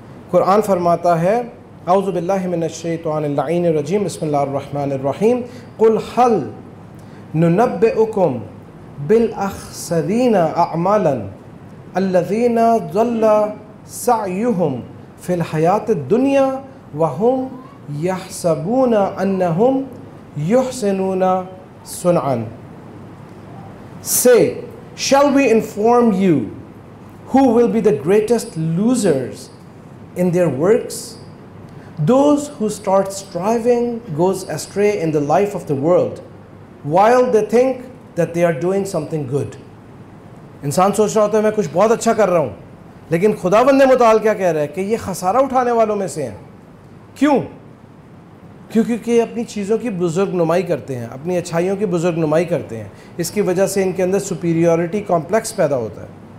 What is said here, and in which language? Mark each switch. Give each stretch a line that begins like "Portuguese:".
Urdu: قرآن فرماتا ہے
Arabic: اعوذ باللہ من الشیطان اللعین الرجیم، بسم اللہ الرحمن الرحیم، قل هل ننبئکم بالاخسرین اعمالا الذین ضل سعیہم فی الحیات الدنیا وهم یحسبون انہم یحسنون صنعا
English: سے Shall we inform you who will be the greatest losers in their works? Those who start striving goes astray in the life of the world while they think that they are doing something good.
Urdu: انسان سوچ رہا ہوتا ہے میں کچھ بہت اچھا کر رہا ہوں، لیکن خداوند متعال کیا کہہ رہا ہے کہ یہ خسارہ اٹھانے والوں میں سے ہیں۔ کیوں؟ کیونکہ یہ اپنی چیزوں کی بزرگ نمائی کرتے ہیں، اپنی اچھائیوں کی بزرگ نمائی کرتے ہیں، اس کی وجہ سے ان کے اندر سپیریورٹی کمپلیکس پیدا ہوتا ہے۔